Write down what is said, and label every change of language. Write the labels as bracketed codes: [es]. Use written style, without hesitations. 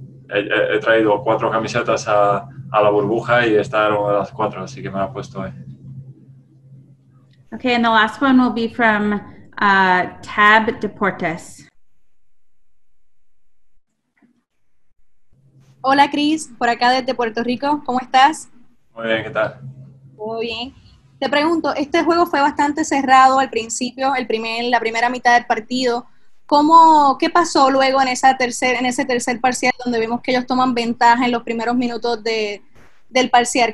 [es] He traído 4 camisetas a la burbuja y esta era una de las 4, así que me la he puesto hoy. [en] Okay, and the last one will be from Tab Deportes. [es] Hola, Chris, por acá desde Puerto Rico, ¿cómo estás? Muy bien, ¿qué tal? Muy bien. Te pregunto, este juego fue bastante cerrado al principio, la primera mitad del partido. ¿Qué pasó luego en ese tercer parcial donde vimos que ellos toman ventaja en los primeros minutos del parcial?